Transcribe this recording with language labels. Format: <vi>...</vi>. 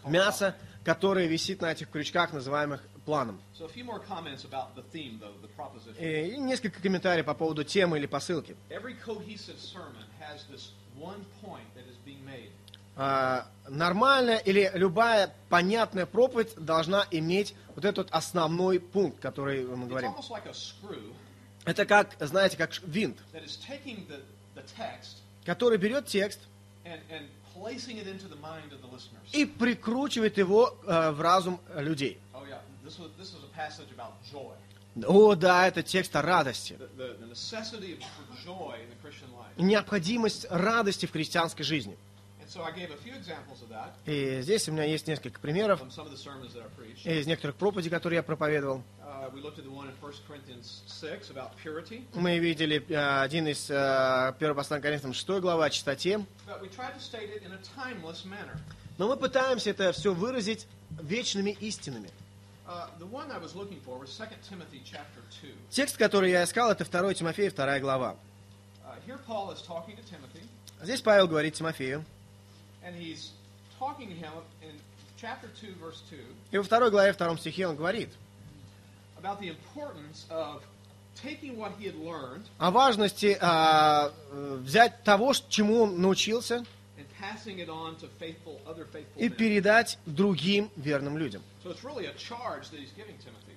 <ru>мясо, которое висит на этих крючках, называемых планом.</ru> <en>So a few more comments about the theme, though, the proposition.</en> <ru>И несколько комментариев по поводу темы или посылки.</ru> <en>Every cohesive sermon has this one point that is being made.</en> <ru>Нормальная или любая понятная проповедь должна иметь вот этот основной пункт, который мы говорим.</ru> <en>It's almost like a screw.</en> <ru>Это как, знаете, как винт.</ru> <en>That is taking the text.</en> <ru>Который берет текст.</ru> <en>And placing it into the mind of the listeners.</en> <ru>И прикручивает его в разум людей.</ru> <en>Oh yeah. This is a passage about joy.</en> <ru>О, да, это текст о радости.</ru> <en>The necessity of joy in the Christian life.</en> <ru>Необходимость радости в христианской жизни.</ru> <en>And so I gave a few examples of that.</en> <ru>И здесь у меня есть несколько примеров</ru> <en>from some of the sermons that I preached.</en> <ru>Из некоторых проповедей, которые я проповедовал.</ru> <en>We looked at the one in 1 Corinthians 6 about purity.</en> <ru>Мы видели один из первого послания Коринфянам 6 главы о чистоте.</ru> <en>But we tried to state it in a timeless manner.</en> <ru>Но мы пытаемся это все выразить вечными истинами.</ru> <en>The one I was looking for was 2 Timothy chapter 2.</en> <ru>Текст, который я искал, это 2 Тимофея, 2 глава.</ru> <en>Here Paul is talking to Timothy.</en> <ru>Здесь Павел говорит Тимофею.</ru> <en>And he's talking to him in chapter 2, verse 2.</en> <ru>И во 2 главе, 2 стихе он говорит</ru> <en>about the importance of taking what he had learned.</en> <ru>О важности взять того, чему он научился,</ru> <en>passing it on to faithful, other faithful men.</en> <ru>И передать другим верным людям.</ru> <en>So it's really a charge that he's giving Timothy.</en>